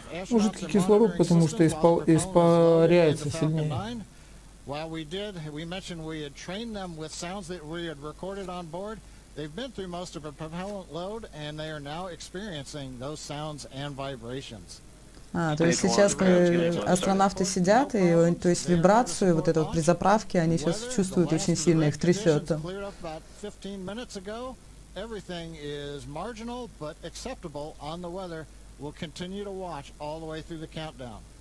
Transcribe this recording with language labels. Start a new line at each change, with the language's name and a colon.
Russian: Ну, жидкий кислород, потому что испаряется сильнее.
English: While we did, we mentioned we had trained them with sounds that we had recorded on board. They've been through most of a propellant load, and they are now experiencing those sounds and vibrations.
Russian: То есть сейчас астронавты сидят, и то есть вибрацию вот эту вот при заправке они сейчас чувствуют очень сильно, их трясет.
English: Cleared up about 15 minutes ago. Everything is marginal but acceptable on the weather. We'll continue to watch all the way through the countdown.